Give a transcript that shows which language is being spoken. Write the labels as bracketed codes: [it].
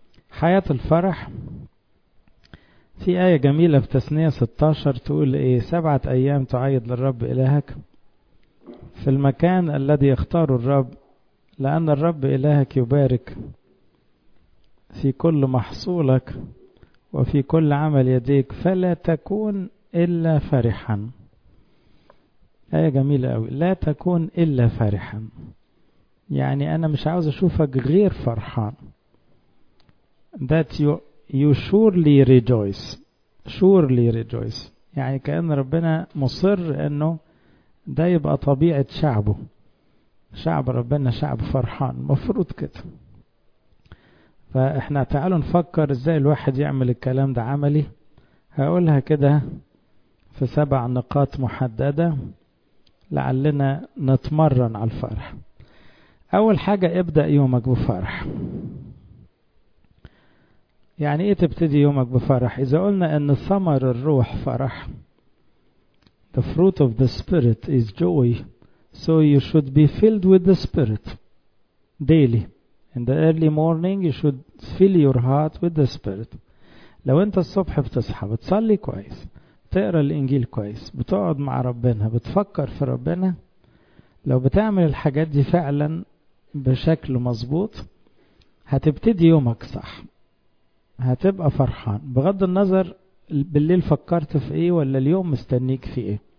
[ar] حياة الفرح، في آية جميلة في تثنية 16 تقول إيه: سبعة أيام تعيد للرب إلهك في المكان الذي يختاره الرب، لأن الرب إلهك يبارك في كل محصولك وفي كل عمل يديك، فلا تكون إلا فرحا. آية جميلة قوي، لا تكون إلا فرحا، يعني أنا مش عاوز أشوفك غير فرحان. [en] That you surely rejoice. Surely rejoice [ar] يعني كأن ربنا مصر أنه ده يبقى طبيعة شعبه، شعب ربنا شعب فرحان مفروض كده. فإحنا تعالوا نفكر إزاي الواحد يعمل الكلام ده عملي. هقولها كده في سبع نقاط محددة لعلنا نتمرن على الفرح. أول حاجة، ابدأ يومك بفرح. يعني إيه تبتدي يومك بفرح؟ إذا قلنا أن ثمر الروح فرح، [en] The fruit of the spirit is joy, so you should be filled with the spirit daily. In the early morning you should fill your heart with the spirit. [ar] لو أنت الصبح بتصحى بتصلي كويس، تقرأ الإنجيل كويس، بتقعد مع ربنا، بتفكر في ربنا، لو بتعمل الحاجات دي فعلا بشكل مظبوط هتبتدي يومك صح، هتبقى فرحان بغض النظر بالليل فكرت في ايه ولا اليوم مستنيك في ايه.